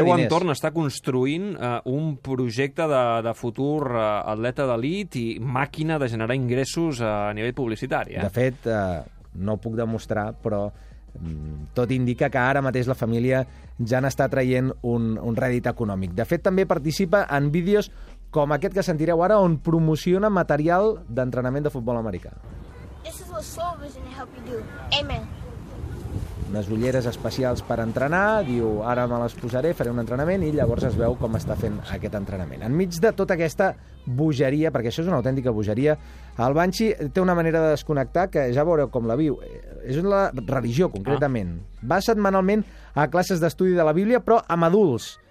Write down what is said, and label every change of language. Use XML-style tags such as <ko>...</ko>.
<ca>diners. El seu entorn està construint un projecte de futur atleta d'elit i màquina de generar ingressos a nivell publicitari. De fet, no ho puc demostrar, però tot indica que ara mateix la família ja n'està traient un rèdit econòmic. De fet, també participa en vídeos com aquest que sentireu ara, on promociona material d'entrenament de futbol americà.</ca> <en>This is what Soul Vision help you do. Amen.</en> <ca>Unes ulleres especials per entrenar, diu, ara me les posaré, faré un entrenament, i llavors es veu com està fent aquest entrenament. Enmig de tota aquesta bogeria, perquè això és una autèntica bogeria, el Banshee té una manera de desconnectar que ja veureu com la viu. És la religió, concretament. Va setmanalment a classes d'estudi de la Bíblia, però amb adults.</ca>